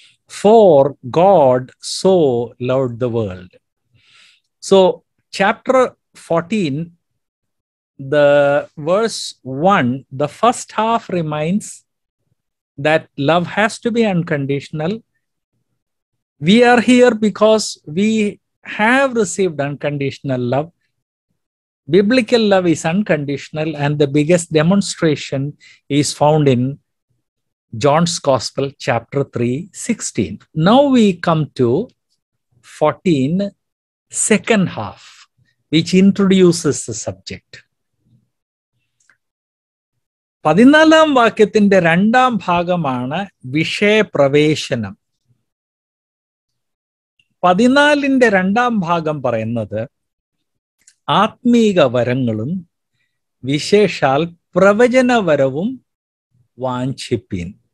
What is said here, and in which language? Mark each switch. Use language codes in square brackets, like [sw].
[en] For God so loved the world. So chapter 14 the verse 1, the first half remains that love has to be unconditional. We are here because we have received unconditional love. Biblical love is unconditional, and the biggest demonstration is found in John's Gospel, chapter 3:16. Now we come to 14, second half, which introduces the subject. [ml] 14th വാക്യത്തിന്റെ രണ്ടാം ഭാഗമാണ് വിഷയപ്രവേശനം. 14:2 പറയുന്നത് ആത്മീക വരങ്ങളും വിശേഷാൽ പ്രവചന വരവും വാഞ്ചിപ്പീൻ.